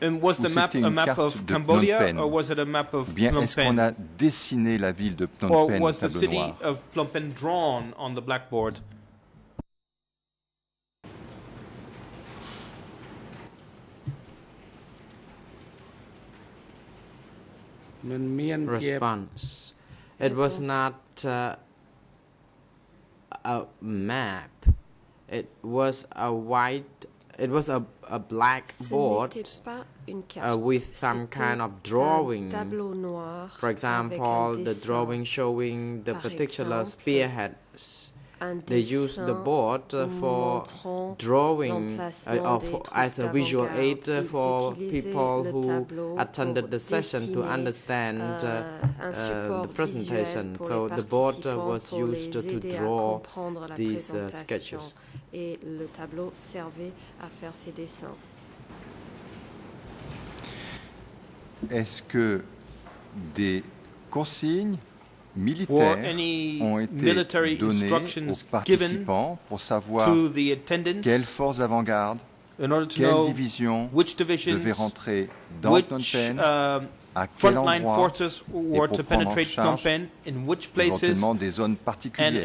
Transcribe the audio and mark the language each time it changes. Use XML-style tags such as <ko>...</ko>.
<en>And was the map a map of Cambodia or was it a map of</en> <fr>bien,</fr> <en>Phnom Penh?</en> <fr>Est-ce qu'on a dessiné la ville de Phnom Penh au tableau noir?</fr> <en>Was the city of Phnom Penh drawn on the blackboard? Response. It was not a map. It was a white. It was a black board with some kind of drawing. For example, the drawing showing the particular spearheads. They used the board for drawing as a visual aid for people who attended the session to understand the presentation. So the board was used to draw these sketches.</en> <fr>Et le tableau servait à faire ces dessins. Est-ce que des consignes militaires ont été données aux participants pour savoir quelles forces d'avant-garde, quelles divisions devaient rentrer dans Phnom Penh, à quel endroit et pour prendre en charge éventuellement des zones particulières,</fr>